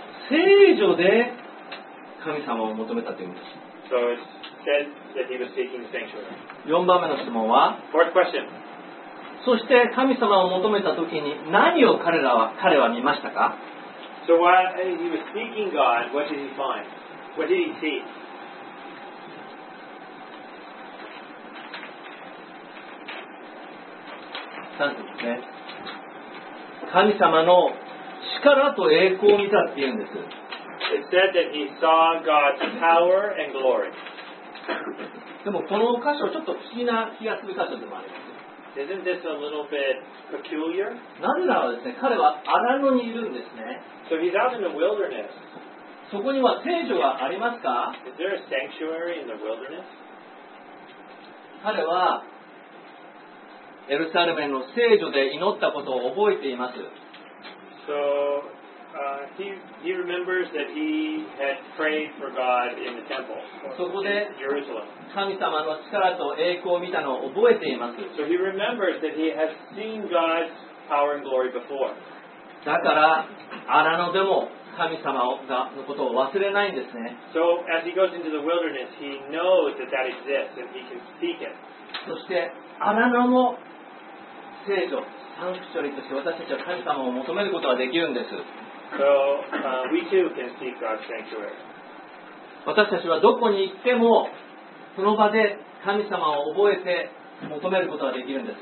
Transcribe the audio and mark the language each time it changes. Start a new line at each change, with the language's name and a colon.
Japanese: 聖女で神様を求めたというんです。
English: So it said that he was seeking the sanctuary.
Japanese: 4番目の質問は
English: Fourth question.
Japanese: そして神様を求めた時に何を彼は見ましたか。
English: So while he was seeking God, what did he find? What did he see?
Japanese: 三節ね。神様の力と栄光を見たって言うんです。
English: It said that he saw God's power and glory.
Japanese: でもこの箇所ちょっと不思議な気がする箇所でもあります。
English: Isn't this a little bit peculiar?
Japanese: なぜならですね、彼は荒野にいるんですね。
English: So he's out in the wilderness.
Japanese: そこには聖所はありますか?
English: Is there a sanctuary in the wilderness?
Japanese: 彼はエルサレムの聖所で祈ったことを覚えています。
English: So he remembers that he had prayed for God in the temple.
Japanese: そこで
English: Jerusalem.
Japanese: 神様の力と栄光を見たのを覚えています。
English: So he remembers that he has seen God's power and glory before.
Japanese: だから、荒野でも神様のことを忘れないんですね。
English: So as he goes into the wilderness, he knows that that exists and he can seek it.
Japanese: そして、荒野も聖所、サンクチュアリとして私たちは神様を求めることができるんです。
English: So we too can seek God's sanctuary.
Japanese: 私たちはどこに行ってもその場で神様を覚えて求めることができるんです。